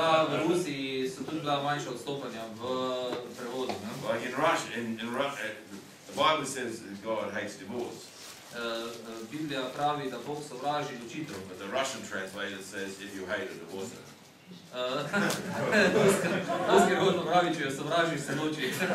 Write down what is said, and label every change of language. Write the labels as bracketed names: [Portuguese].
[Slovenian] V Rusiji so tudi bila manjša odstopanja v prevodu. [English] Like in Russia, the Bible says that God hates divorce. [Slovenian] Biblija pravi, da Bog sovraži ločitev. [English] But the Russian translator says, if you hate a divorce. [Slovenian] Ruski prevod pravi, če jo sovražiš, se loči.